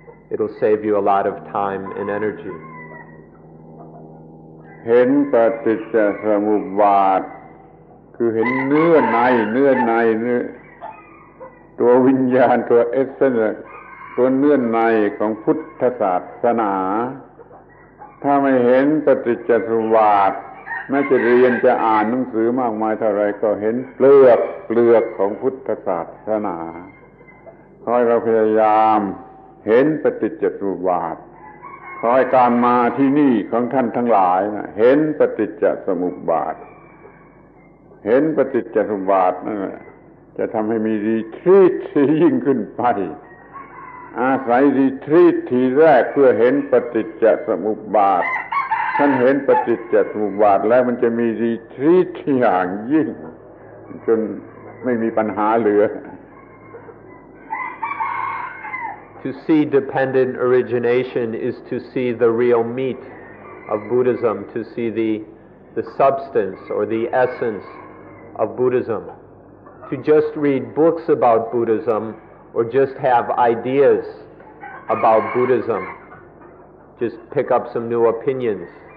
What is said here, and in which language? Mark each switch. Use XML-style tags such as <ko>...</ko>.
<en>It'll save you a lot of time and energy.</en> <th>เห็นปฏิจจสมุปบาทคือเห็นเนื้อในตัววิญญาณตัวเอสเซนส์ตัวเนื้อในของพุทธศาสนา ถ้าไม่เห็นปฏิจจสมุปบาทแม้จะเรียนจะอ่านหนังสือมากมายเท่าไรก็เห็นเปลือกของพุทธศาสนาคอยเราพยายามเห็นปฏิจจสมุปบาทคอยการมาที่นี่ของท่านทั้งหลายนะเห็นปฏิจจสมุปบาท เห็นปฏิจจสมุปบาทนั่นจะทำให้มีรีทรีตยิ่งขึ้นไปอาศัยรีทรีตทีแรกเพื่อเห็นปฏิจจสมุปบาทท่านเห็นปฏิจจสมุปบาทแล้วมันจะมีรีทรีตอย่างยิ่งจนไม่มีปัญหาเหลือ</th> <en>To see dependent origination is to see the real meat of Buddhism, to see the substance or the essence of Buddhism. To just read books about Buddhism or just have ideas about Buddhism, just pick up some new opinions.</en>